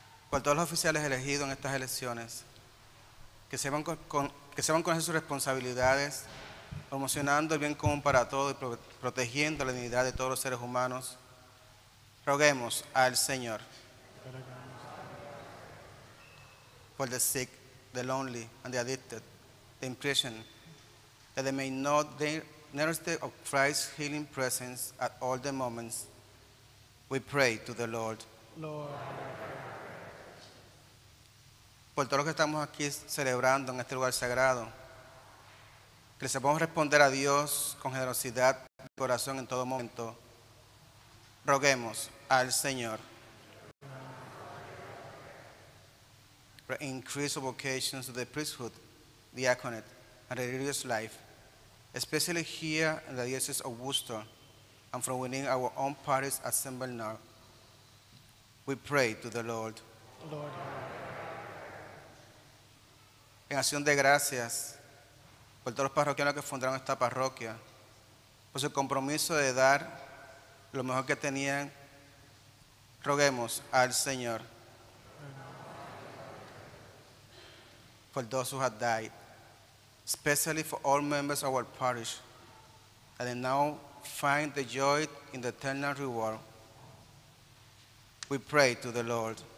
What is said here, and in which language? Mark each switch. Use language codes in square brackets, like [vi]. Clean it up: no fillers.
[es] Por todos los oficiales elegidos en estas elecciones, que sepan con sus responsabilidades, promocionando el bien común para todos y protegiendo la dignidad de todos los seres humanos, roguemos al Señor. [en] For the sick, the lonely and the addicted, the imprisoned, that they may know the nearest of Christ's healing presence at all the moments, we pray to the Lord. Lord. [es] Por todos los que estamos aquí celebrando en este lugar sagrado, que sepamos responder a Dios con generosidad y corazón en todo momento, roguemos al Señor. [en] Increase of vocations to the priesthood, diaconate, and religious life, especially here in the Diocese of Worcester and from within our own parish assembled now. We pray to the Lord. Lord. [es] En acción de gracias por todos los parroquianos que fundaron esta parroquia, por su compromiso de dar lo mejor que tenían, roguemos al Señor. [en] For those who have died, especially for all members of our parish, that they now find the joy in the eternal reward, we pray to the Lord.